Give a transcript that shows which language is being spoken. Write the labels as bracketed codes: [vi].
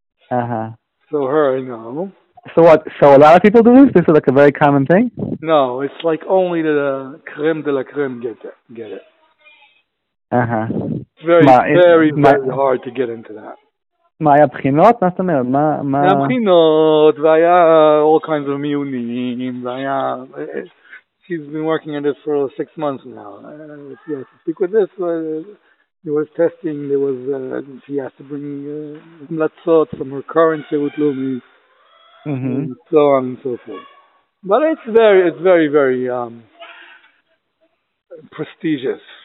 [en] Uh-huh. So her, I know. So what? So a lot of people do this? This is like a very common thing? No, it's like only the creme de la creme get it. Uh-huh. It's very, very hard to get into that. [he] מה היה בחינות? מה זאת אומרת? מה... היה בחינות, והיה [en] all kinds of [he] מיונים, והיה... [en] She's been working on this for 6 months now. If you have to speak with this, there was testing, there was... she has to bring מלצות from her current שירות לאומי, and so on and so forth. But it's very, very prestigious.